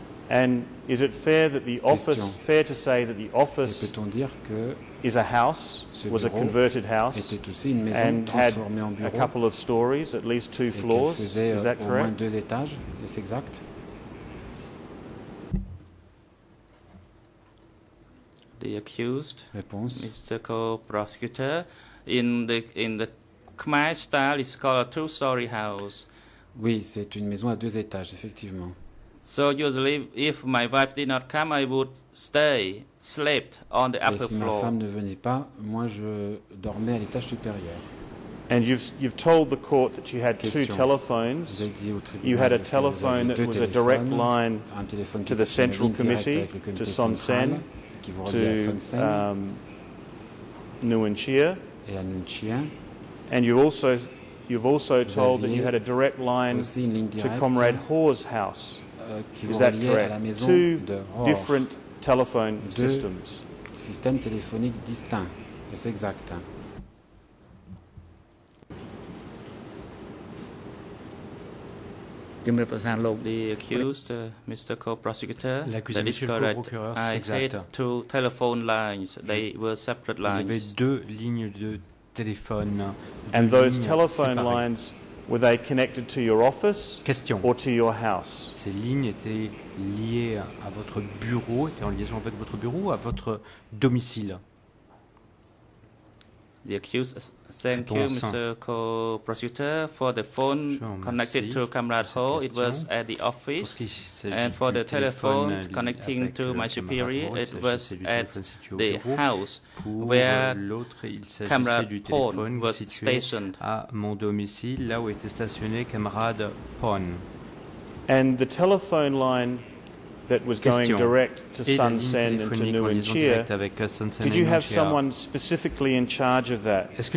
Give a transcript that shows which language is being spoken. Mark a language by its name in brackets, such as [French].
[English] And is it fair that the office, fair to say that the office is a house, was a converted house, and had a couple of stories, at least two floors, is that correct? [French] Au moins deux étages, est-ce exact? [English] The accused, [French] réponse. [English] Mr. Co-Prosecutor, in the Khmer style, it's called a two-story house. [French] Oui, c'est une maison à deux étages, effectivement. [English] So usually, if my wife did not come, I would stay, slept on the upper floor. [French] Et si ma femme ne venait pas, moi je dormais à l'étage supérieur. [English] And you've told the court that you had two telephones. You had a telephone that was a direct line to the Central Committee, to Son Sen, to Nguyen Chia. [French] Et à Nguyen Chia. [English] And you also You've also told that you had a direct line to Comrade Hoare's house. Is that correct? Two different telephone systems. [French] Systèmes téléphoniques distincts. C'est exact. [English] The accused, Mr. Co-Prosecutor, that is correct. I had two telephone lines. They were separate lines. [French] J'avais deux lignes de téléphone. [English] And those telephone lines, were they connected to your office [French] Question. [English] Or to your house? [French] Ces lignes étaient liées à votre bureau, étaient en liaison avec votre bureau ou à votre domicile? [English] The accused, thank you, Mr. Co-Prosecutor, for the phone connected to Comrade Ho, it was at the office, and for the telephone connecting to my superior, it was at the house where Comrade Pon was stationed. [French] À mon domicile, là où était stationné Comrade Pon. [English] And the telephone line that was going direct to Sun Sen and to Nguyen Chia, did you have someone specifically in charge of that?